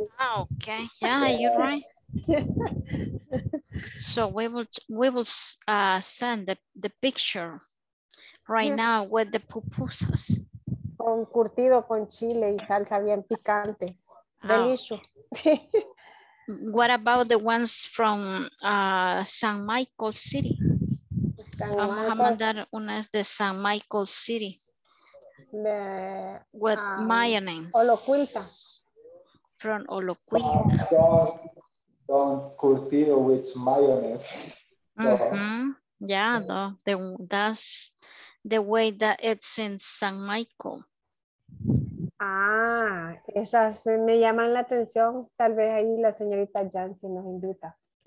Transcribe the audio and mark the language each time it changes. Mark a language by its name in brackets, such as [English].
[English] Ah, okay, yeah, you're right. So we will send the picture right now with the pupusas. [Spanish] Con curtido con chile y salsa bien picante, delicioso. [English] What about the ones from San Michael City? [Spanish] Vamos a mandar unas de San Michael City. [English] With mayonnaise. Olocuilta. From Olocuilta. Don curtido with mayonnaise. Mm-hmm. Yeah, that's the way that it's in San Michael. [Spanish] Ah, esas me llaman la atención. Tal vez ahí la señorita Yancy nos invita.